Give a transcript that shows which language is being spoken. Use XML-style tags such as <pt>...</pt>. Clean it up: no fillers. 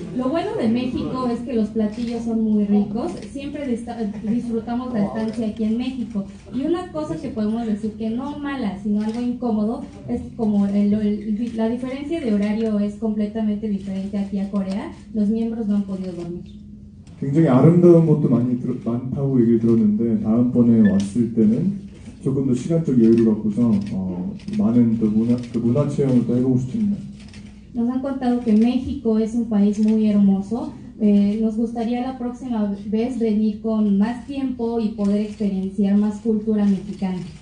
<es>Lo bueno de México es que los platillos son muy ricos, siempre disfrutamos la estancia aquí en México. Y una cosa que podemos decir que no mala, sino algo incómodo, es como la diferencia de horario es completamente diferente aquí a Corea, los miembros no han podido dormir.</es> <ko>굉장히 아름다운 것도 많이 많다고 얘기를 들었는데 다음번에 왔을 때는 조금 더 시간적 여유를 갖고서 많은 문화 체험을 또 해보고 싶습니다.</ko> <es>Nos han contado que México es un país muy hermoso. Nos gustaría la próxima vez venir con más tiempo y poder experienciar más cultura mexicana.</es>